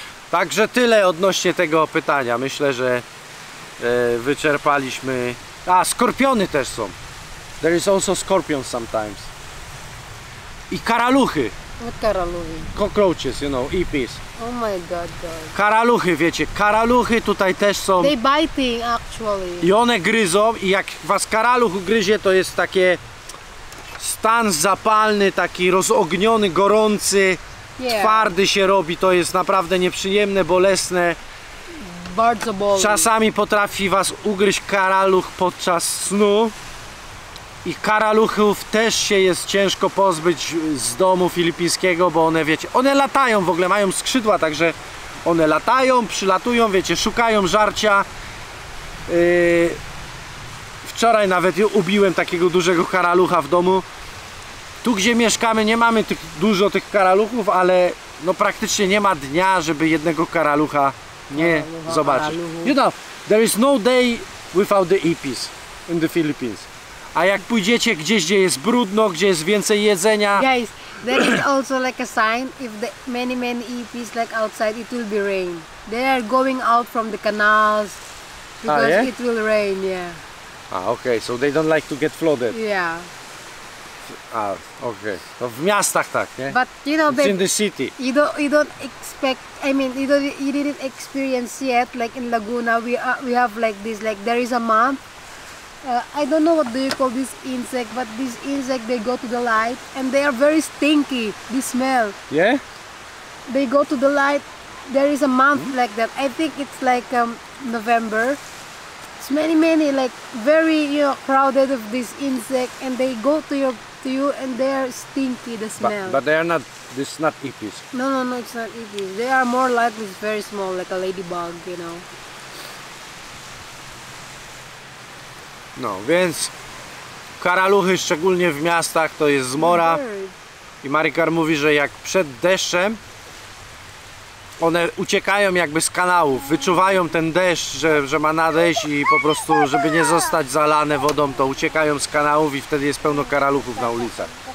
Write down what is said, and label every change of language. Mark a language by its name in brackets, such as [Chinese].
[Polish] Także tyle odnośnie tego pytania. Myślę, że wyczerpaliśmy... A, skorpiony też są. [English] There is also scorpions sometimes. [Polish] I karaluchy. [English] What karaluchy? Cockroaches, you know, ipis. Oh my god, god. [Polish] Karaluchy, wiecie, karaluchy tutaj też są. [English] They biting actually. [Polish] I one gryzą i jak was karaluch ugryzie, to jest takie stan zapalny, taki rozogniony, gorący, twardy się robi. To jest naprawdę nieprzyjemne, bolesne. Bardzo boli. Czasami potrafi was ugryźć karaluch podczas snu. I karaluchów też się jest ciężko pozbyć z domu filipińskiego, bo one, wiecie, one latają w ogóle, mają skrzydła, także one latają, przylatują, wiecie, szukają żarcia. Wczoraj nawet ubiłem takiego dużego karalucha w domu. Tu, gdzie mieszkamy, nie mamy dużo tych karaluchów, ale no praktycznie nie ma dnia, żeby jednego karalucha nie zobaczyć. [English] You know, there is no day without the ipis in the Philippines. [Polish] A jak pójdziecie gdzieś, gdzie jest brudno, gdzie jest więcej jedzenia... [English] Guys, there is also like a sign, if the many ipis like outside, it will be rain. They are going out from the canals because it will rain, yeah. Ah, okay, so they don't like to get flooded. Yeah. [Polish] Okay. To w miastach tak, nie? [English] But you know, it's in the city. You don't expect. I mean, you didn't experience yet. Like in Laguna, we have like this. Like there is a month. I don't know what do you call this insect, but this insect they go to the light and they are very stinky. They smell. Yeah. They go to the light. There is a month like that. I think it's like November. It's many, many, like very, you know, crowded of this insect, and they go to your to you, and they are stinky. The smell. But they are not. This is not aphids. No, it's not aphids. They are more like this very small, like a ladybug, you know. [Polish] No, więc karaluchy, szczególnie w miastach, to jest zmora. I Marikar mówi, że jak przed deszczem, one uciekają jakby z kanałów, wyczuwają ten deszcz, że ma nadejść, i po prostu, żeby nie zostać zalane wodą, to uciekają z kanałów i wtedy jest pełno karaluchów na ulicach.